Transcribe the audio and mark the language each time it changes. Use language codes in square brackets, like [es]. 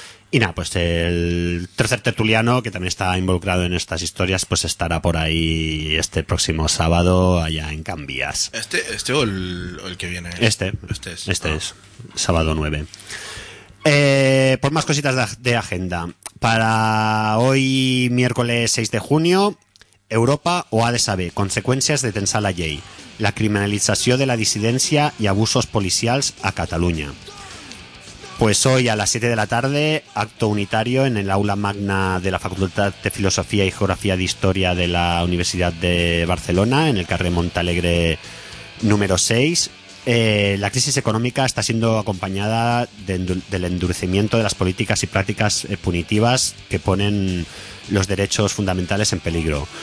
[es] Y nada, pues el tercer tertuliano, que también está involucrado en estas historias, pues estará por ahí este próximo sábado allá en Can Vies. ¿Este o el que viene? Este es sábado 9. Pues más cositas de agenda. Para hoy, miércoles 6 de junio, Europa o ADSAB, consecuencias de tensar la ley. [ca] La criminalització de la dissidència i abusos policials a Catalunya. [es] Pues hoy a las 7 de la tarde, acto unitario en el aula magna de la Facultad de Filosofía y Geografía de Historia de la Universidad de Barcelona, en el carrer Montalegre número 6. La crisis económica está siendo acompañada del endurecimiento de las políticas y prácticas punitivas que ponen los derechos fundamentales en peligro.